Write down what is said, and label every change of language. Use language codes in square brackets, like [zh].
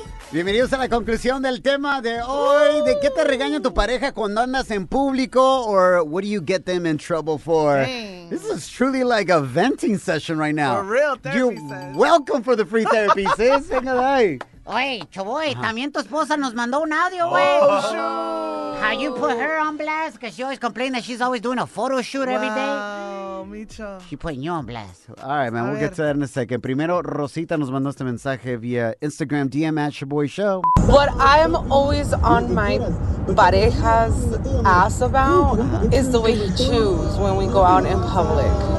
[es] Bienvenidos a la conclusión del tema de hoy. ¿De qué te regaña tu pareja cuando andas en público? [en] Or what do you get them in trouble for? Dang. This is truly like a venting session right now. A real therapy You're session. Welcome for the free therapy, sis. [es] Venga, ahí. Oye, Choboy, también tu esposa nos mandó un audio, güey. [en] Oh, sure. How you put her on blast? Because she always complains that she's always doing a photo shoot every day. Wow, Micho. She putting you on blast. All right, man, we'll get to that in a second. [es] Primero, Rosita nos mandó este mensaje via Instagram DM at Shaboy Show. [en] What I'm always on my pareja's ass about is the way he chews when we go out in public.